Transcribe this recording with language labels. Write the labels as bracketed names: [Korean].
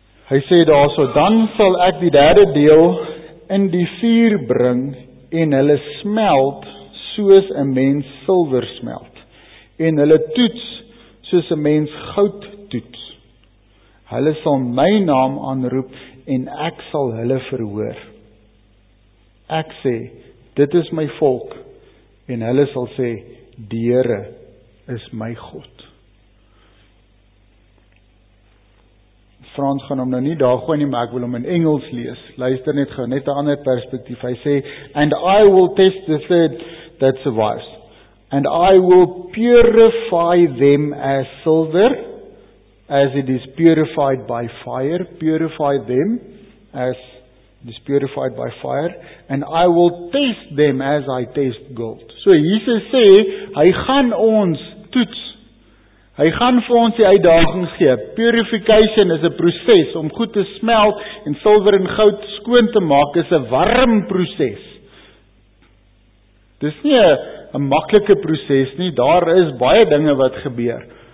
[Afrikaans] Hy sê daarso, dan sal ek die derde deel in die vuur bring en hulle smelt soos 'n mens silwer smelt en hulle toets soos 'n mens goud toets. Hulle sal my naam aanroep en ek sal hulle verhoor. Ek sê, dit is my volk, en hulle sal sê, die Here is my God. Frans gaan hom nou nie daar gooi nie, maar ek wil hom in Engels lees. Luister net gou, net 'n ander perspektief. Hy sê, [English] and I will test the third that survives, and I will purify them as silver, as it is purified by fire, purify them as is purified by fire, and I will test them as I test gold. [Afrikaans] So Jesus sê, hy gaan ons toets, hy gaan vir ons die uitdaging gee. Purification is 'n proses, om goed te smelt, en silver en goud skoon te maak, is 'n warm proses. Dis nie 'n maklike proses nie, daar is baie dinge wat gebeur.